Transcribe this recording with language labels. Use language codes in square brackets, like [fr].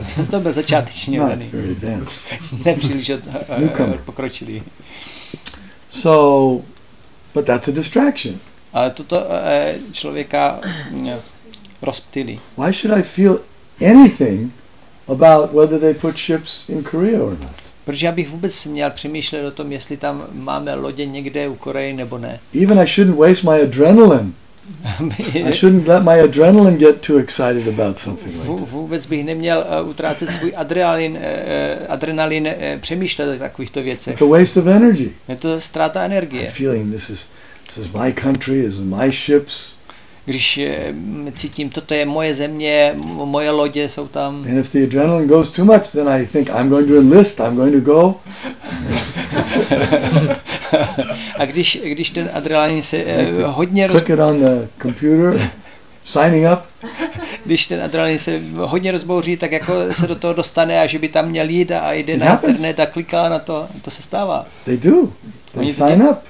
[cs] To byl začátečně nepříliš pokročilý. [en] So, but that's a distraction. [cs] Ale toto člověka rozptýlí. [en] Why should I feel anything about whether they put ships in Korea or not? [cs] Protože já bych vůbec měl přemýšlet o tom, jestli tam máme lodě někde u Koreji nebo ne. [en] Even I shouldn't waste my adrenaline. I shouldn't let my adrenaline get too excited about something like that. [cs] Vůbec bych neměl utrácet svůj adrenalin přemýšlet o takovýchto věcech. [en] It's a waste of energy. [cs] Je to ztráta energie. [en] I'm feeling this is my country, this is my ships. [cs] Když cítím, toto je moje země, moje lodě jsou tam. [en] And if the adrenaline goes too much, then I think I'm going to enlist, I'm going to go. [cs] A když ten adrenalin se hodně [en] click it on the computer, signing up. [cs] Když ten adrenalin se hodně rozbouří, tak jako se do toho dostane a že by tam měl jít a jde na internet a kliká na to, to se stává. [en] They do. [cs] Oni [en] sign up.